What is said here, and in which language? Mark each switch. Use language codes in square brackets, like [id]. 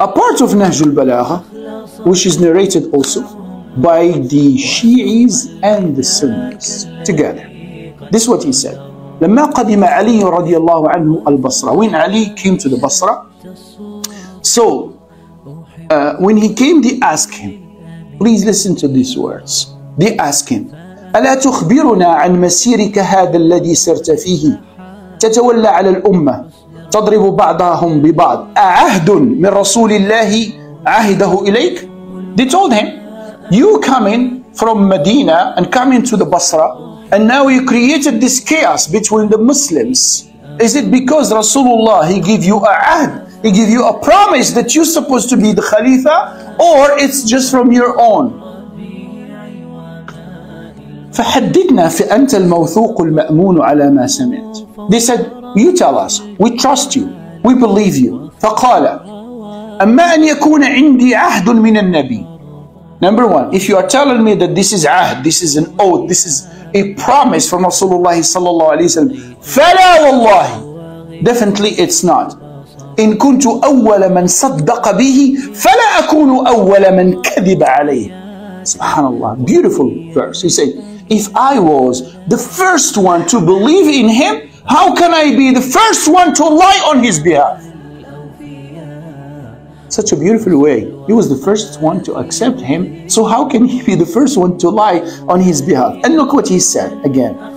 [en] A part of Nahj al-Balagha, which is narrated also by the Shi'is and the Sunnis together. This is what he said. لما قدم علي رضي الله عنه البصرة. When Ali came to the Basra, So when he came, they asked him, please listen to these words. [ar] They asked him, ألا تخبرنا عن مسيرك هذا الذي سرت فيه تتولى على الأمة تضرب بعضهم ببعض أعهد من رسول الله عهده إليك. [en] They told him, you coming from Medina and coming to the Basra, and now you created this chaos between the Muslims. Is it because Rasulullah, he give you a ahd, he give you a promise that you're supposed to be the Khalifa, or it's just from your own? [ar] فحددنا فأنت الموثوق المأمون على ما سمعت. [en] They said, you tell us, we trust you, we believe you. [ar] فقال, أما أن يكون عندي عهد من النبي. [en] Number one, if you are telling me that this is ahd, this is an oath, this is a promise from Rasulullah sallallahu alayhi wa sallam, فلا والله, definitely it's not. [ar] إن كنت أول من صدق به فلا أكون أول من كذب عليه. [en] Subhanallah, beautiful verse. He said, if I was the first one to believe in him, how can I be the first one to lie on his behalf? Such a beautiful way. He was the first one to accept him. So how can he be the first one to lie on his behalf? And look what he said again.